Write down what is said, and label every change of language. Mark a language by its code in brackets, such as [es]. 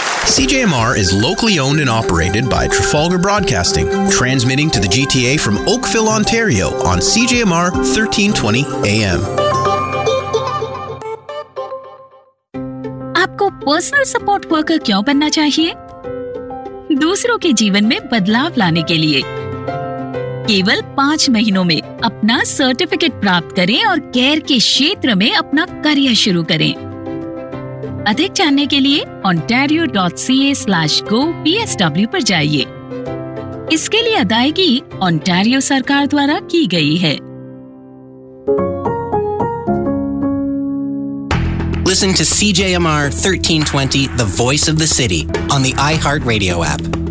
[en] CJMR is locally owned and operated by Trafalgar Broadcasting, transmitting to the GTA from Oakville, Ontario on CJMR 1320 AM. [hi] आपको personal support worker क्यों बनना चाहिए? दूसरों के जीवन में बदलाव लाने के लिए. केवल 5 महीनों में अपना सर्टिफिकेट प्राप्त करें और केयर के क्षेत्र में अपना करियर शुरू करें. अधिक जानने के लिए ontario.ca/go-psw पर जाइए. इसके लिए अदायगी ओंटारियो सरकार द्वारा की गई है. [en] Listen to CJMR 1320, the voice of the city, on the iHeartRadio app.